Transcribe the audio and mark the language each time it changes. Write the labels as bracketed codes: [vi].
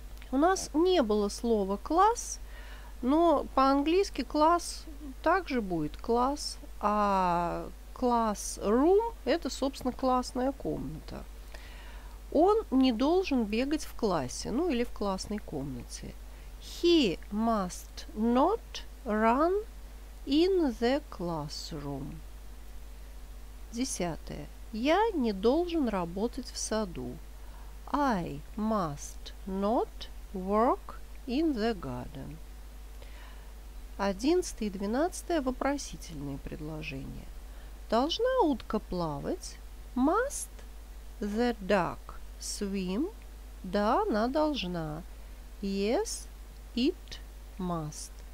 [ru] У нас не было слова класс, но по-английски класс также будет класс, а classroom – это, собственно, классная комната. Он не должен бегать в классе, ну или в классной комнате. [en] He must not run in the classroom. [ru] Десятое. Я не должен работать в саду. [en] I must not work in the garden. [ru] 11 и 12 – вопросительные предложения. Должна утка плавать? [en] Must the duck swim? [ru] Да, она должна. [en] Yes, it must.